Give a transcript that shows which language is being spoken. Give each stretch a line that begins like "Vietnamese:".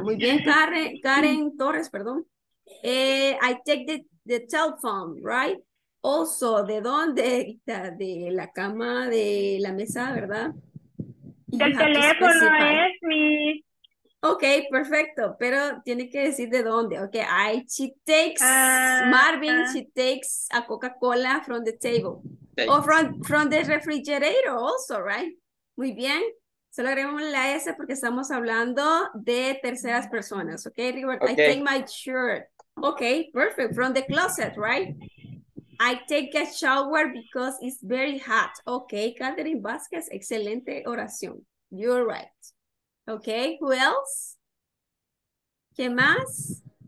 Spanish: Muy bien, Karen Torres, perdón.
English: I take the telephone, right? Also,
Spanish: ¿de dónde? De la cama, de la mesa, ¿verdad? Del teléfono es mi... Ok, perfecto, pero tiene que decir de dónde.
English: Ok, she takes a Coca-Cola from the table. O from the refrigerator also, right?
Spanish: Muy bien, solo agregamos la S porque estamos hablando de terceras personas.
English: Ok, Robert, okay. I take my shirt. Ok, perfect, from the closet, right? I take a shower because it's very hot. Ok, Catherine Vázquez, excelente oración. You're right. Okay, who else?
Spanish: ¿Qué más?